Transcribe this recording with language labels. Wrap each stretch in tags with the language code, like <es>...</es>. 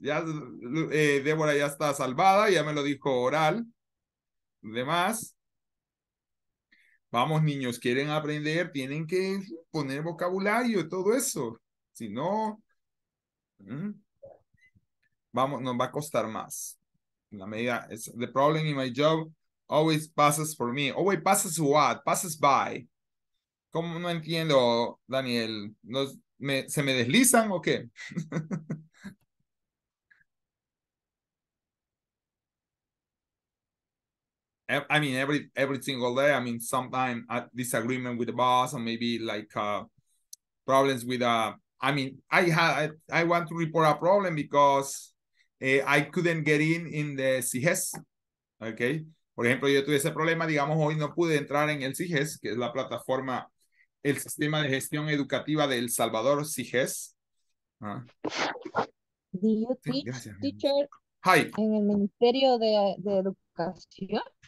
<es>Ya, Débora ya está salvada, ya me lo dijo oral. Los demás. Vamos, niños, quieren aprender, tienen que poner vocabulario y todo eso. Si no, vamos, nos va a costar más. En la medida,</es> <en>it's the problem in my job. Always passes for me. Always passes what? Passes by.</en> <es>¿Cómo no entiendo, Daniel? ¿Se me deslizan o qué?</es> <en>I mean, every single day, I mean, sometimes a disagreement with the boss or maybe like problems with, I want to report a problem because I couldn't get in the CGS. Okay.</en> <es>Por ejemplo, yo tuve ese problema, digamos, hoy no pude entrar en el CIGES, que es la plataforma, el sistema de gestión educativa de El Salvador, CIGES. ¿Ah?</es> <en>¿Do you teach, gracias, teacher? Hi.</en> <es>¿En el Ministerio de Educación?</es>